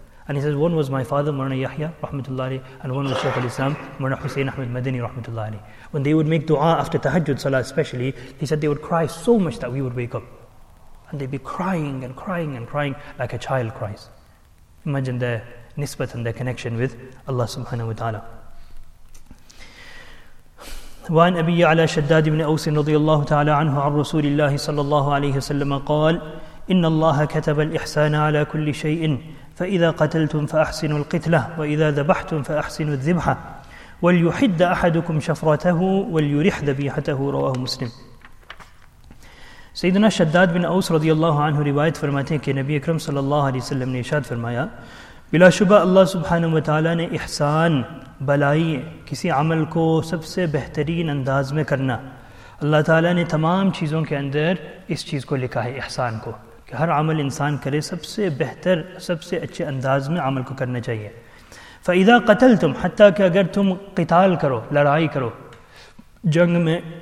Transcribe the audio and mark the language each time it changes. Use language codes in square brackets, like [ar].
[en] And he says, one was my father, Mawlana Yahya, rahmatullahi, and one was Shaykh al-Islam, Mawlana Hussein Ahmed Madani, rahmatullahi. When they would make dua after tahajjud salah especially, he said they would cry so much that we would wake up. And they'd be crying and crying and crying like a child cries. Imagine their nisbat and their connection with Allah subhanahu wa ta'ala. [ar] وعن أبي يعلى شداد بن أوس رضي الله تعالى عنه عن رسول الله صلى الله عليه وسلم قال إن الله كتب الإحسان على كل شيء فإذا قتلتم فأحسنوا القتلة وإذا ذبحتم فأحسنوا الذبحة وليحد أحدكم شفرته وليرح ذبيحته رواه مسلم. [ur] سيدنا شداد بن أوس رضي الله عنه روايت فرماتے ہیں کہ نبی اکرم صلى الله عليه وسلم نے ارشاد فرمایا بلا شبہ اللہ سبحانہ وتعالی نے احسان بلائی کسی عمل کو سب سے بہترین انداز میں کرنا اللہ تعالی نے تمام چیزوں کے اندر اس چیز کو لکھا ہے احسان کو کہ ہر عمل انسان کرے سب سے بہتر سب سے اچھے انداز میں عمل کو کرنا چاہیے [ar] فَإِذَا قَتَلْتُمْ [ur] حَتَّى کہ اگر تم قتال کرو لڑائی کرو جنگ میں